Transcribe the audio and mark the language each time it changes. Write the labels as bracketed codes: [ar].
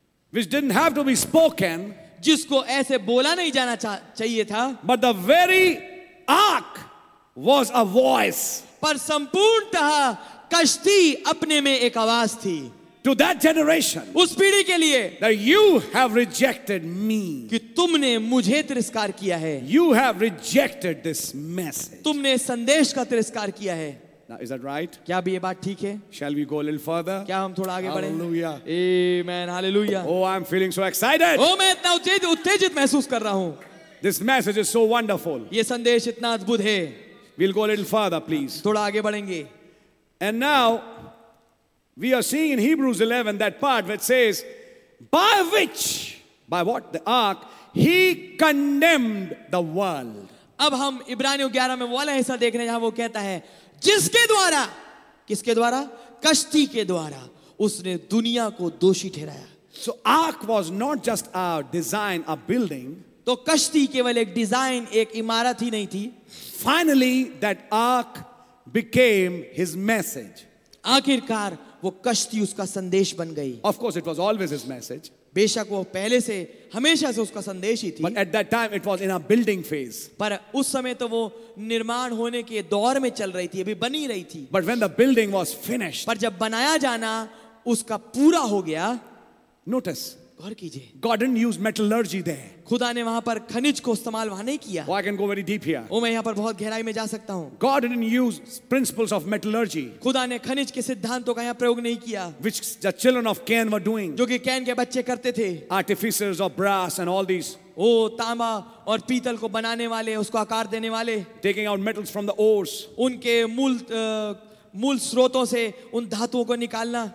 [en] Which didn't have to be spoken. [hi] जिसको ऐसे बोला नहीं जाना चाहिए था. [en] But the very ark was a voice. [hi] पर संपूर्णतः कश्ती अपने में एक आवाज थी. [en] To that generation. [hi] उस पीढ़ी के लिए. [en] That you have rejected me. [hi] कि तुमने मुझे तिरस्कार किया है. [en] You have rejected this message. [hi] तुमने संदेश का तिरस्कार किया है. [en] Now is that right? [hi] क्या भी ये बात ठीक है? [en] Shall we go a little further? [hi] क्या हम थोड़ा आगे बढ़ें? [en] Hallelujah. Amen. Hallelujah. Oh, I'm feeling so excited. [hi] Oh, मैं इतना उत्तेजित महसूस कर रहा हूँ. [en] This message is so wonderful. [hi] ये संदेश इतना अद्भुत है. [en] We'll go a little further, please. [hi] थोड़ा आगे बढ़ेंगे. [en] And now we are seeing in Hebrews 11 that part which says, by which, by what the ark, he condemned the world. [hi] अब हम इब्रानियों 11 में वाला हिस्सा देख रहे हैं जहां वो कहता है जिसके द्वारा, किसके द्वारा, कश्ती के द्वारा उसने दुनिया को दोषी ठहराया. [en] So ark was not just a design, a building. [hi] तो कश्ती केवल एक डिजाइन, एक इमारत ही नहीं थी. [en] Finally, that ark became his message. [hi] आखिरकार वो कश्ती उसका संदेश बन गई. [en] Of course, it was always his message. [hi] बेशक वो पहले से हमेशा से उसका संदेश ही थी. [en] But at that time, it was in a building phase. [hi] पर उस समय तो वो निर्माण होने के दौर में चल रही थी, अभी बनी रही थी. [en] But when the building was finished, [hi] पर जब बनाया जाना उसका पूरा हो गया. [en] Notice. [hi] गौर कीजिए. [en] God didn't use metallurgy there. [hi] खुदा ने वहां पर खनिज को इस्तेमाल वहां नहीं किया. [en] Well, I can go very deep here. [hi] ओ, मैं यहां पर बहुत गहराई में जा सकता हूं. [en] God didn't use principles of metallurgy. [hi] खुदा ने खनिज के सिद्धांतों का यहां प्रयोग नहीं किया. [en] Which the children of Cain were doing. [hi] जो कि कैन के बच्चे करते थे. [en] Artificers of brass and all these. [hi] ओ, तांबा और पीतल को बनाने वाले, उसको आकार देने वाले. [en] Taking out metals from the ores. [hi] उनके मूल स्रोतों से उन धातुओं को निकालना.